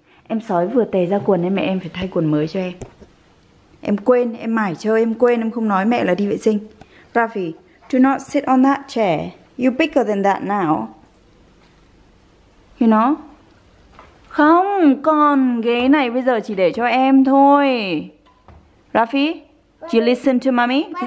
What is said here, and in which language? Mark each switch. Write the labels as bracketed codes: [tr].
[vi] em Sói vừa tè ra quần nên mẹ em phải thay quần mới cho em. Em quên, em mải chơi, em quên, em không nói mẹ là đi vệ sinh. [en] Rafi, do not sit on that chair. You're bigger than that now. You know? [vi] Không, con ghế này bây giờ chỉ để cho em thôi. [en] Rafi, do you listen to mommy?